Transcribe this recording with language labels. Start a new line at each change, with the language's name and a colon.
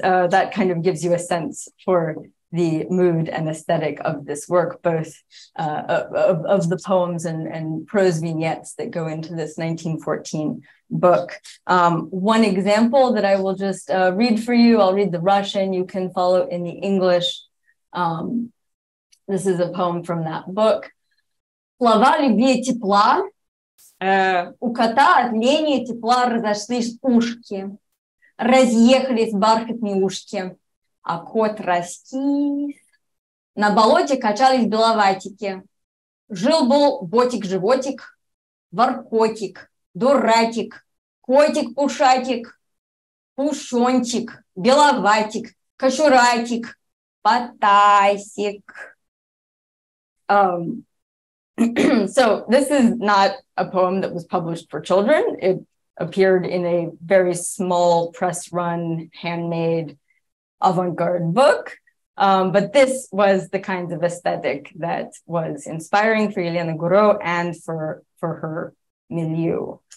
English: That kind of gives you a sense for the mood and aesthetic of this work, both of the poems and prose vignettes that go into this 1914 book. One example that I will just read for you, I'll read the Russian, you can follow in the English. This is a poem from that book.
Russian: Слова любви тепла, у кота от лени тепла разошлись ушки, разъехались бархатные ушки. А кот растись. На болоте качались беловатики. Жил-был ботик-животик, воркотик, дуратик, котик-пушатик, пушончик, беловатик, кошуратик, потасик.
English: So this is not a poem that was published for children. It appeared in a very small press run, handmade avant-garde book. But this was the kind of aesthetic that was inspiring for Yelena Gouraud and for her milieu.